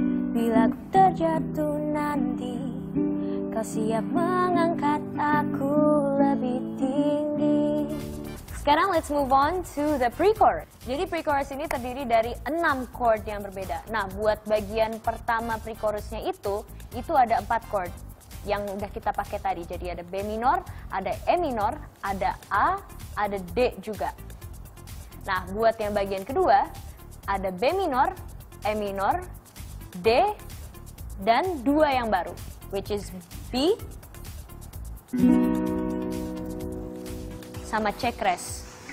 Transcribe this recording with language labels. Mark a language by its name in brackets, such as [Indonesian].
[Indonesian] Bila aku terjatuh nanti, kau siap mengangkat aku lebih tinggi. Sekarang [English] let's move on to the pre-chorus. [Indonesian] Jadi pre-chorus ini terdiri dari 6 chord yang berbeda. Nah, buat bagian pertama pre-chorusnya itu ada 4 chord yang udah kita pakai tadi. Jadi ada B minor, ada E minor, ada A, ada D juga. Nah, buat yang bagian kedua, ada B minor, E minor, D, dan 2 yang baru, [English] which is [Indonesian] B, sama cekres.